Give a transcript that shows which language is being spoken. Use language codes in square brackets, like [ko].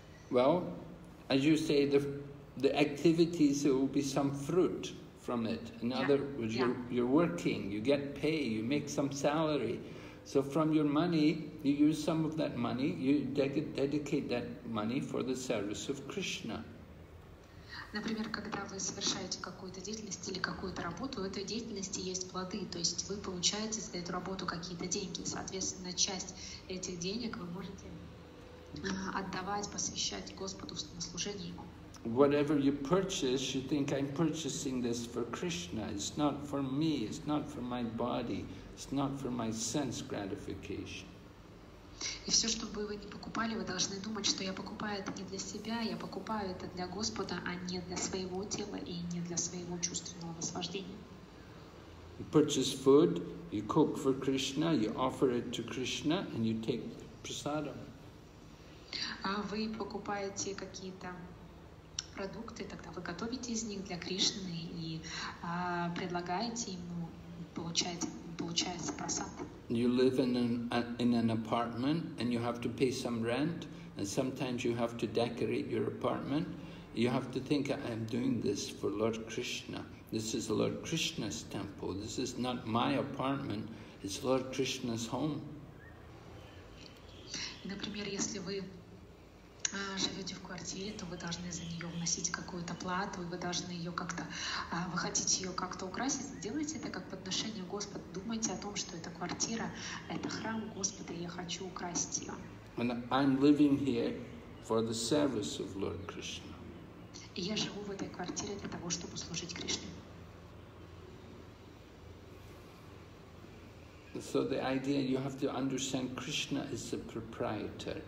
[en] Well, as you say, the activities, there will be some fruit from it. In other words, you're working, you get pay, you make some salary. So from your money, you use some of that money, you dedicate that money for the service of Krishna. [ru] Например, когда вы совершаете какую-то деятельность или какую-то работу, у этой деятельности есть плоды, то есть вы получаете за эту работу какие-то деньги. Соответственно, часть этих денег вы можете отдавать, посвящать Господу на служение Ему. [en] Whatever you purchase, you think I'm purchasing this for Krishna. It's not for me, it's not for my body, it's not for my sense gratification. [ru] И все, что бы вы ни покупали, вы должны думать, что я покупаю это не для себя, я покупаю это для Господа, а не для своего тела и не для своего чувственного наслаждения. [en] You purchase food, you cook for Krishna, you offer it to Krishna, and you take prasadam. [ru] Вы покупаете какие-то продукты, тогда вы готовите из них для Кришны и предлагаете ему, получается прасад. [en] You live in an apartment and you have to pay some rent, and sometimes you have to decorate your apartment. You have to think, I am doing this for Lord Krishna. This is Lord Krishna's temple. This is not my apartment. It's Lord Krishna's home. [ru] Например, если вы живете в квартире, то вы должны за нее вносить какую-то плату, и вы должны ее как-то, вы хотите ее как-то украсить, сделайте это как подношение Господу. Думайте о том, что эта квартира, это храм Господа, и я хочу украсить ее. [en] And I'm living here for the service of Lord Krishna. [ru] И я живу в этой квартире для того, чтобы служить Кришне. [en] So the idea, you have to understand, Krishna is the proprietor.